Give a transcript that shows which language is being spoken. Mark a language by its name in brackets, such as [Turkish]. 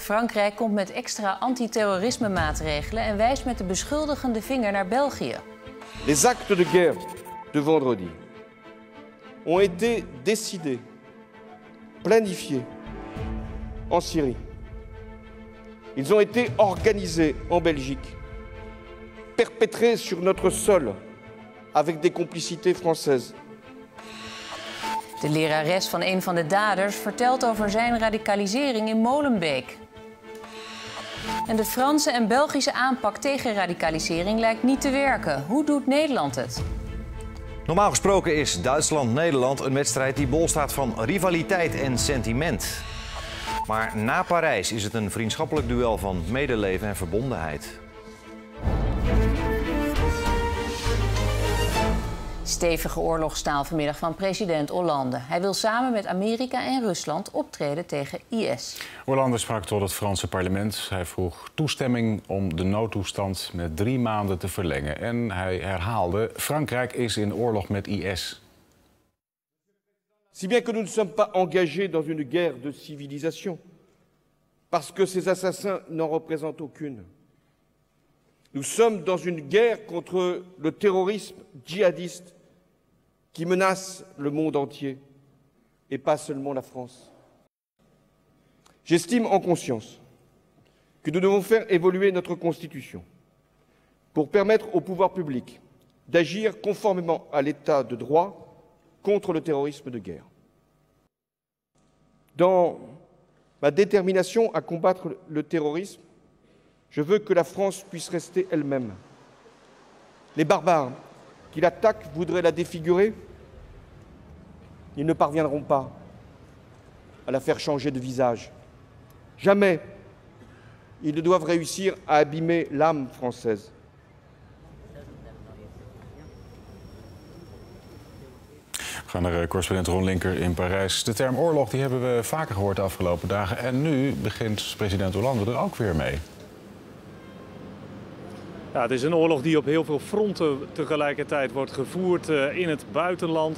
[Dutch] Frankrijk komt met extra antiterrorisme maatregelen en wijst met de beschuldigende vinger naar België. [French] Les actes de guerre de vendredi ont été décidés, planifiés en Syrie. Ils ont été organisés en Belgique, perpétrés sur notre sol avec des complicités françaises. [Dutch] De lerares van een van de daders vertelt over zijn radicalisering in Molenbeek. En de Franse en Belgische aanpak tegen radicalisering lijkt niet te werken. Hoe doet Nederland het? Normaal gesproken is Duitsland-Nederland een wedstrijd die bol staat van rivaliteit en sentiment. Maar na Parijs is het een vriendschappelijk duel van medeleven en verbondenheid. Stevige oorlogstaal vanmiddag van president Hollande. Hij wil samen met Amerika en Rusland optreden tegen IS. Hollande sprak tot het Franse parlement. Hij vroeg toestemming om de noodtoestand met 3 maanden te verlengen. En hij herhaalde: Frankrijk is in oorlog met IS. [French] Si bien que nous ne sommes pas engagés dans une guerre de civilisation, parce que ces assassins n'en représentent aucune. Nous sommes dans une guerre contre le terrorisme djihadiste qui menace le monde entier et pas seulement la France. J'estime en conscience que nous devons faire évoluer notre constitution pour permettre au pouvoir public d'agir conformément à l'état de droit contre le terrorisme de guerre. Dans ma détermination à combattre le terrorisme, je veux que la France puisse rester elle-même. Les barbares qui l'attaquent voudraient la défigurer. Ils ne parviendront pas à la faire changer de visage. Jamais ils ne doivent réussir à abîmer l'âme française. [Dutch] We gaan naar correspondent Ron Linker in Parijs. De term oorlog die hebben we vaker gehoord de afgelopen dagen. En nu begint president Hollande er ook weer mee. Ja, het is een oorlog die op heel veel fronten tegelijkertijd wordt gevoerd in het buitenland.